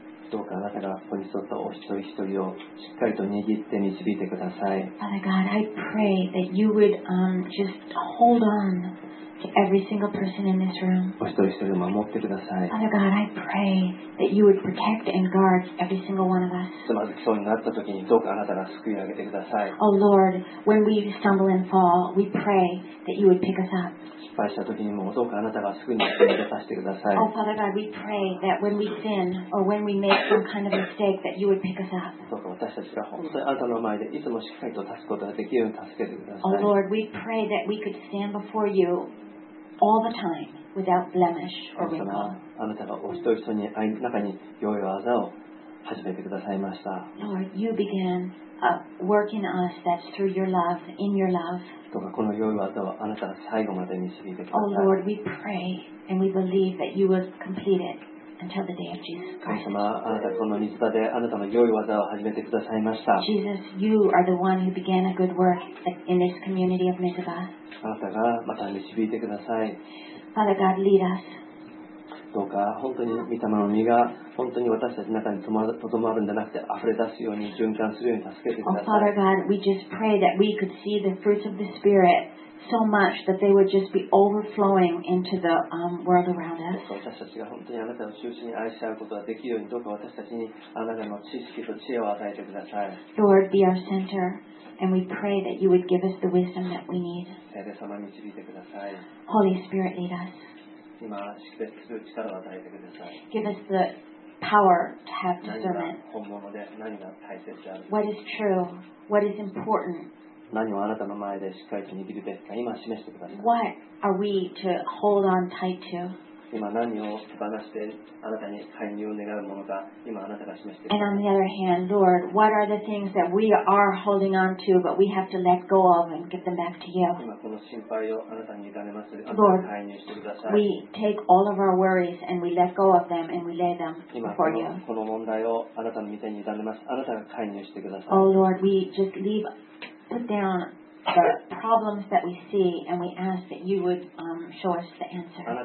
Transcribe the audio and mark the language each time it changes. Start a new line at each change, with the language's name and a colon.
Japanese: どうかあなたがここに沿ったお一人一人をしっかりと握って導いてください。
English: Father God, I pray that you would just hold on to every single person in this room.
Japanese: お一人一人を守ってください。
English: Father God, I pray that you would protect and guard every single one of us.
Japanese: つまずきそうになった時にどうかあなたが救い上げてください。
English: Oh Lord, when we stumble and fall, we pray that you would pick us up.
Japanese: 失敗した時にもどうかあなたが救いに来てさせてください。
English: Oh Father God, we pray that when we sin or when we make some kind of mistake that you would pick us up.
Japanese: どうか私たちが本当にあなたの前でいつもしっかりと立つことができるように助けてください。
English: Oh Lord, we pray that we could stand before youAll the time, without blemish or wrinkle.
Japanese: あなたがお一人一人に愛の中に良い技を始めてくださいました。
English: Lord, you began a work in us that's through your love, in your love.
Japanese: とかこの良い技をあなたが最後まで導いてください。
English: Oh Lord, we pray and we believe that you will complete it until the day of Jesus Christ.
Japanese: 神様、あなたこの御座であなたの良い技を始めてくださいました。
English: Jesus, you are the one who began a good work in this community of Mizpah.
Japanese: あなたがまた導いてください。
English: Father God, lead us.
Japanese: どうか本当に御霊の実が本当に私たちの中にとどまるんじゃなくて溢れ出すように循環するように助けてください。
English: Oh, Father God, we just pray that we could see the fruits of the Spirit so much that they would just be overflowing into the world around us.
Japanese: 私たちが本当にあなたを中心に愛し合うことができるようにどうか私たちにあなたの知識と知恵を与えてください。
English: Lord, be our center. And we pray that you would give us the wisdom that we need.
Japanese: 聖霊様導いてください。
English: Holy Spirit, lead us.
Japanese: 今識別する力を与えてください。
English: Give us the power to have discernment.
Japanese: 何が本物で何が大切である。
English: What is true? What is important?
Japanese: 何をあなたの前でしっかりと握るべきか今示してください。
English: What are we to hold on tight to?
Japanese: 今何を手放してあなたに介入を願うものか今あなたが示して
English: And on the other hand, Lord, what are the things that we are holding on to but we have to let go of and give them back to you?
Japanese: 今この心配をあなたに委ねます。
English: Lord,
Japanese: 介入してください。
English: We take all of our worries and we let go of them and we lay them before you.
Japanese: 今この問題をあなたの御手に委ねます。あなたが介入してください。
English: Oh Lord, we just leave, put downThe problems that we see, and we ask that you would show us the answer.